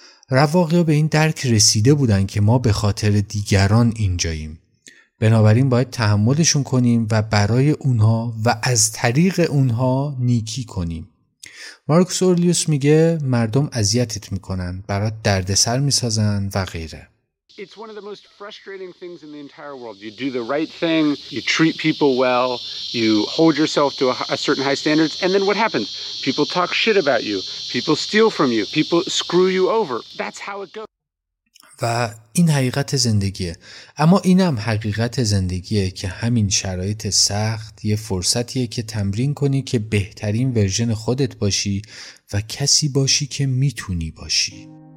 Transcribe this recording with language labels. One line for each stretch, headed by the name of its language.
Persian: رواقی‌ها به این درک رسیده بودن که ما به خاطر دیگران اینجاییم. بنابراین باید تحملشون کنیم و برای اونها و از طریق اونها نیکی کنیم. مارکوس اورلیوس میگه مردم اذیتت میکنن، برات دردسر میسازن و غیره.
English: It's one of the most frustrating things in the entire world. You do the right thing, you treat people well, you hold yourself to a certain high standards, and then what happens? People talk shit about you, people steal from you, people screw you over. That's how it goes.
Persian: و این حقیقت زندگیه. اما اینم حقیقت زندگیه که همین شرایط سخت یه فرصتیه که تمرین کنی که بهترین ورژن خودت باشی و کسی باشی که میتونی باشی.